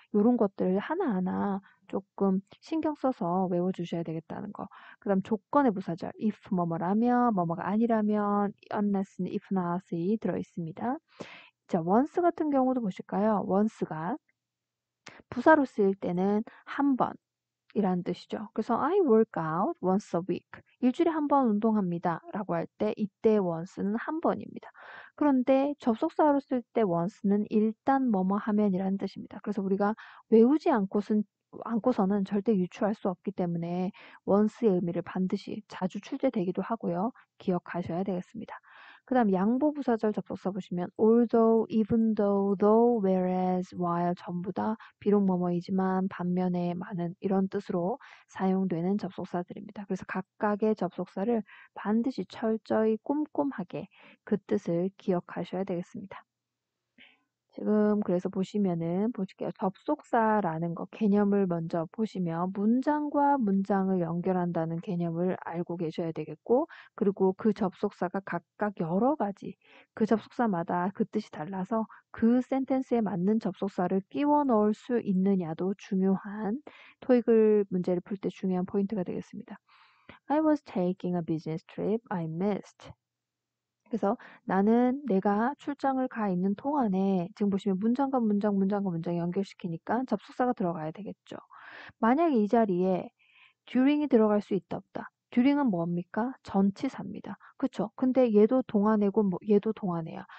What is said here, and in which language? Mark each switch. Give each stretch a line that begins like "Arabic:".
Korean: 이런 것들을 하나하나 조금 신경 써서 외워주셔야 되겠다는 거. 그 다음 조건의 부사절. if 뭐뭐라면, 뭐뭐가 아니라면, unless는 if not이 들어있습니다. 자, once 같은 경우도 보실까요? once가 부사로 쓰일 때는 한 번이라는 이란 뜻이죠.
English: 그래서 I work out once a week.
Korean: 일주일에 한번 운동합니다. 라고 할 때, 이때 once는 한 번입니다. 그런데 접속사로 쓸때 once는 일단 뭐뭐 하면 이라는 뜻입니다. 그래서 우리가 외우지 않고서는 절대 유추할 수 없기 때문에 once의 의미를 반드시 자주 출제되기도 하고요. 기억하셔야 되겠습니다. 그 다음 양보 부사절 접속사 보시면 although, even though, though, whereas, while 전부 다 비록 뭐뭐이지만 반면에 많은 이런 뜻으로 사용되는 접속사들입니다. 그래서 각각의 접속사를 반드시 철저히 꼼꼼하게 그 뜻을 기억하셔야 되겠습니다. 지금 그래서 보실게요. 접속사라는 거 개념을 먼저 보시면 문장과 문장을 연결한다는 개념을 알고 계셔야 되겠고, 그리고 그 접속사가 각각 여러 가지, 그 접속사마다 그 뜻이 달라서 그 센텐스에 맞는 접속사를 끼워 넣을 수 있느냐도 중요한 토익을 문제를 풀때 중요한 포인트가 되겠습니다.
English: I was taking a business trip. I missed.
Korean: 그래서 나는 내가 출장을 가 있는 동안에 지금 보시면 문장과 문장, 문장과 문장 연결시키니까 접속사가 들어가야 되겠죠. 만약에 이 자리에 during이 들어갈 수 있다 없다. during은 뭡니까? 전치사입니다. 그쵸? 근데 얘도 동안에고 뭐 얘도 동안에야.